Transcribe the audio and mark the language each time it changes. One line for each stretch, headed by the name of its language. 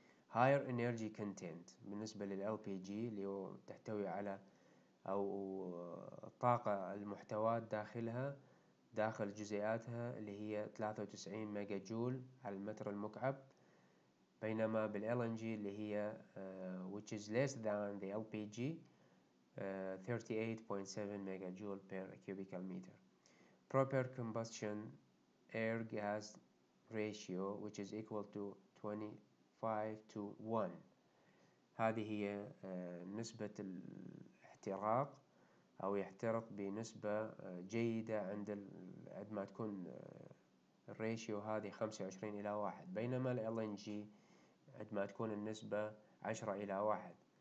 English: higher energy content
Arabic: بالنسبة للـLPG اللي هو تحتوي على أو الطاقة المحتوات داخلها داخل جزيئاتها اللي هي 93 ميجا جول على المتر المكعب، بينما بالـLNG اللي هي
English: which is less than the LPG
Arabic: 38.7 ميجا جول
English: per cubical meter. proper combustion air gas ratio which is equal to 25 to 1.
Arabic: هذه هي نسبة الاحتراق أو يحترق بنسبة جيدة عند عند ما تكون الراتيو هذه 25 إلى 1، بينما الـLNG عند ما تكون النسبة 10 إلى 1.